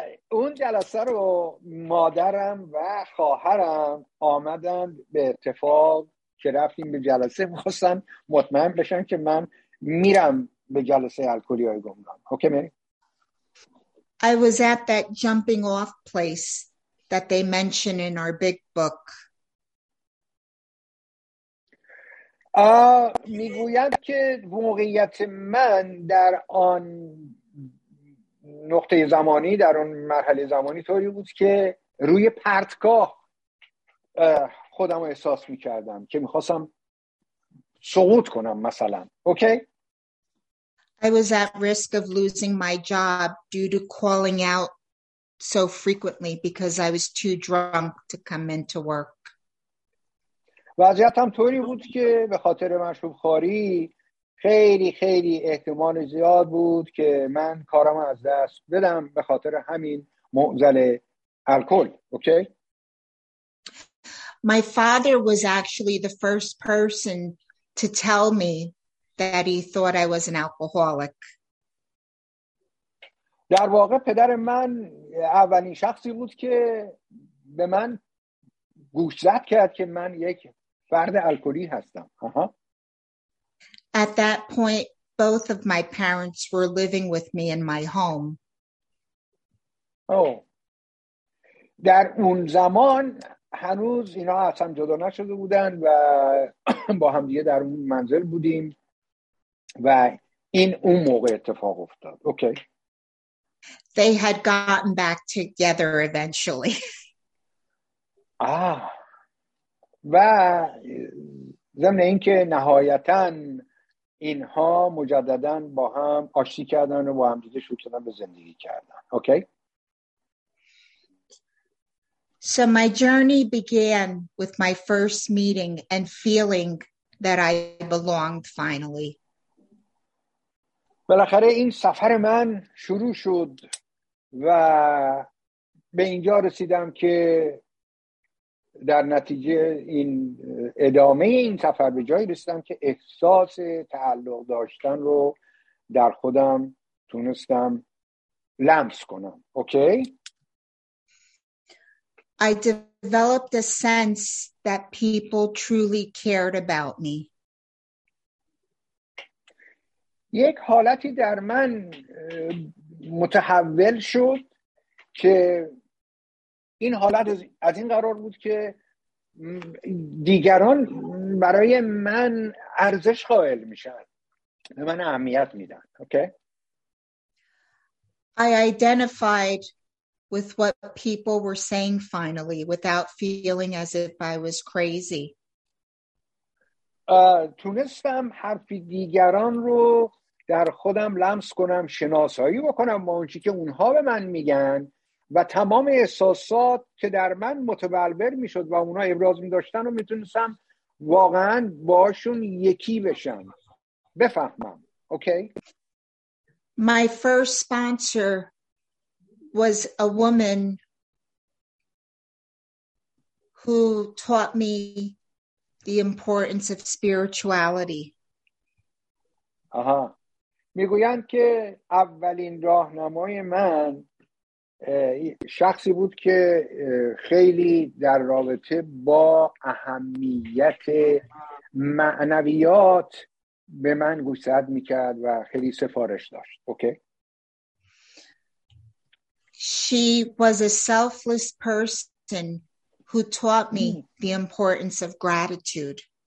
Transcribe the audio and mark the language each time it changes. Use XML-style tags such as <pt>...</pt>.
<fa>اون جلسه رو مادرم و خواهرم آمدند به اتفاق که رفتیم به جلسه می‌خواستن مطمئن بشن که من میرم به جلسه الکلی های گمنام.</fa> <en>Okay Mary? I was at that jumping off place that they mention in our big book.</en> <fa>میگوید که موقعیت من در آن نقطه زمانی در آن مرحله زمانی طوری بود که روی پرتگاه خودم رو احساس میکردم که میخواستم سقوط کنم مثلا.</fa> <en>Okay? I was at risk of losing my job due to calling out so frequently because I was too drunk to come into work.</en> <fa>وضعیتم طوری بود که به خاطر مشروب خوری خیلی خیلی احتمال زیاد بود که من کارم از دست بدم به خاطر همین معضل الکل.</fa> <en>Okay. My father was actually the first person to tell me that he thought I was an alcoholic.</en> <fa>در واقع پدر من اولین شخصی بود که به من گوش زد کرد که من یک فرد الکلی هستم.</fa> <en>At that point, both of my parents were living with me in my home.</en> <fa>در اون زمان هنوز اینا از هم جدا نشده بودن و با هم دیگه در اون منزل بودیم و این اون موقع اتفاق افتاد.</fa> <en>Okay. They had gotten back together eventually.</en> <fa>و ضمن این که نهایتاً اینها مجدداً با هم آشتی کردن و با هم دیگه شروع کردن به زندگی کردن.</fa> <en>Okay. So my journey began with my first meeting and feeling that I belonged finally.</en> <fa>بالاخره این سفر من شروع شد و به اینجا رسیدم که در نتیجه این ادامه این سفر به جایی رسیدم که احساس تعلق داشتن رو در خودم تونستم لمس کنم.</fa> <en>Okay? I developed a sense that people truly cared about me.</en> <fa>یک حالتی در من متحول شد که این حالت از این قرار بود که دیگران برای من ارزش قائل میشن، به من اهمیت میدن.</fa> <en>Okay. I identified with what people were saying finally without feeling as if I was crazy.</en> <fa>تونستم حرفی دیگران رو در خودم لمس کنم، شناسایی بکنم با اونچی که اونها به من میگن و تمام احساسات که در من متبلور میشد و اونها ابراز میداشتن رو میتونستم واقعا باشون یکی بشم، بفهمم.</fa> <en>Okay. My first sponsor was a woman who taught me the importance of spirituality. آها.</en> <fa>میگویند که اولین راهنمای من شخصی بود که خیلی در رابطه با اهمیت معنویات به من گوشزد میکرد و خیلی سفارش داشت.</fa> <en>Okay. She was a selfless person who taught me the importance of gratitude.</en>